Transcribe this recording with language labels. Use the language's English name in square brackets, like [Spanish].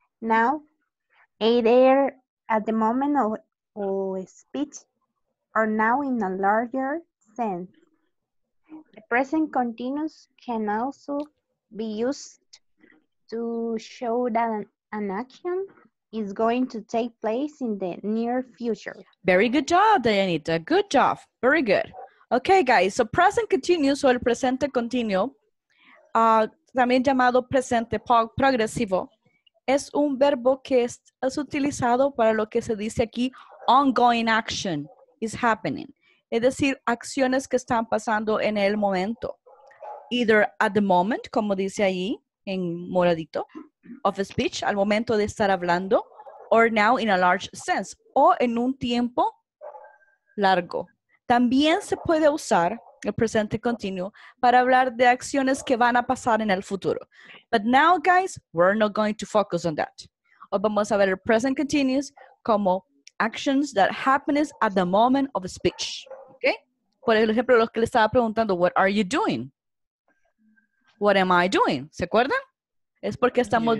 [English] Now, either at the moment of speech or now in a larger sense. The present continuous can also be used to show that an action is going to take place in the near future. Very good job, Dianita. Good job. Very good. Okay, guys. [Spanish] So present continuous or el presente continuo, también llamado presente progresivo, es un verbo que es utilizado para lo que se dice aquí ongoing action is happening. Es decir, acciones que están pasando en el momento. Either at the moment, como dice ahí, en moradito, of a speech, al momento de estar hablando, or now in a large sense, o en un tiempo largo. También se puede usar el presente continuo para hablar de acciones que van a pasar en el futuro. [English] But now, guys, we're not going to focus on that. O vamos a ver el present continuous como actions that happen at the moment of a speech. Okay? [Spanish] Por ejemplo, lo que le estaba preguntando, what are you doing? What am I doing? ¿Se acuerdan? Es porque estamos yes.